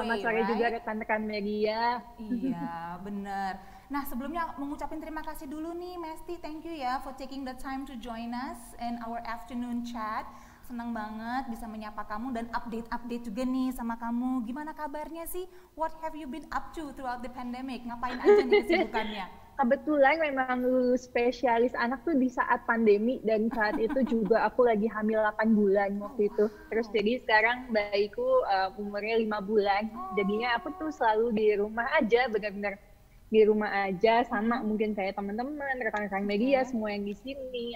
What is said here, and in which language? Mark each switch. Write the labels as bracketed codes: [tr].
[en] way, right? [id] Selamat sore juga rekan-rekan media. Iya, benar. Nah sebelumnya mengucapin terima kasih dulu nih [en] Mesty, thank you ya for taking the time to join us in our afternoon chat. [id] Senang banget bisa menyapa kamu dan update-update juga nih sama kamu. Gimana kabarnya sih? [en] What have you been up to throughout the pandemic? [id] Ngapain aja nih kesibukannya? Kebetulan memang lulus spesialis anak tuh di saat pandemi dan saat itu juga aku lagi hamil 8 bulan waktu itu. Terus jadi sekarang bayiku umurnya 5 bulan. Jadinya aku tuh selalu di rumah aja, benar-benar di rumah aja sama mungkin kayak teman-teman, rekan-rekan media semua yang di sini.